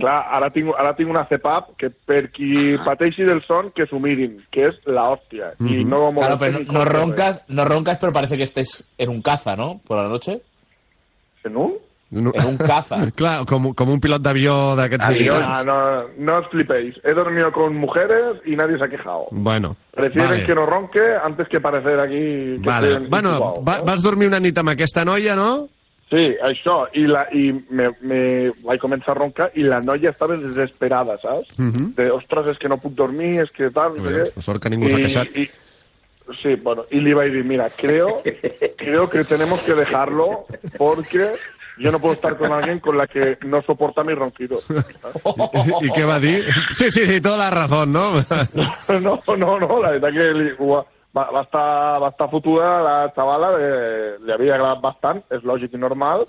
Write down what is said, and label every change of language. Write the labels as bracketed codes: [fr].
[ca] Clar, ara tinc una CPAP que per qui pateixi del son, que s'ho mirin, que és l'hòstia. Uh-huh. [es] No, claro, no ronques, però parece que estés en un caza, no? Por la noche. En un... Era un caza. [ca] Clar, com un pilot d'avió d'aquests [es] avions. No os flipéis. He dormido con mujeres y nadie se ha quejado. Bueno. Prefieren vale. Que no ronque antes que parecer aquí... Que vale. Bueno, incubado, [ca] vas dormir una nit amb aquesta noia, no? Sí, això. I me vaig començar a roncar i la noia estava desesperada, saps? Uh-huh. De, ostres, és que no puc dormir, és que tal... Bé, sort que ningú s'ha queixat. [es] Sí, bueno, [ca] i li vaig dir, mira, [es] creo que tenemos que dejarlo porque... Yo no puedo estar con alguien con la que no soporta mi ronquido. ¿Y qué va a decir? Sí, toda la razón, ¿no? No, la verdad que va a estar fotuda la chavala, le había agradado bastante, es lógico y normal.